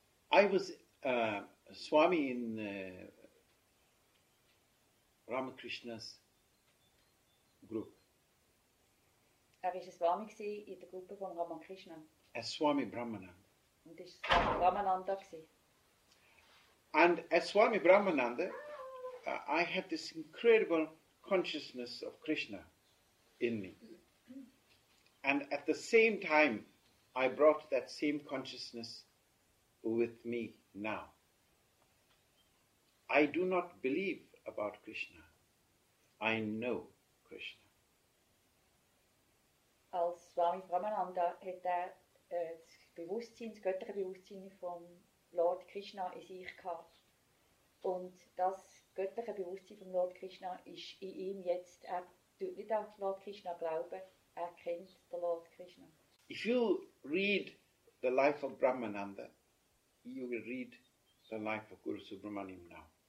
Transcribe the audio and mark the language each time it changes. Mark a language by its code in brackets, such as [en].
[en] I was Swami in Ramakrishna's group. [de] Er war Swami in der Gruppe von Ramakrishna. [en] As Swami Brahmananda. [de] Und war Swami Brahmananda. [en] And as Swami Brahmananda, I had this incredible consciousness of Krishna in me. And at the same time, I brought that same consciousness with me now. I do not believe about Krishna. I know Krishna. [de] Als Swami Brahmananda hat er das Bewusstsein, das göttliche Bewusstsein von Lord Krishna in sich gehabt. Und das göttliche Bewusstsein von Lord Krishna ist in ihm jetzt. Er tut nicht an Lord Krishna glauben, er kennt den Lord Krishna. [en] If you read the life of Brahmananda, you will read the life of Guru Subramaniam now.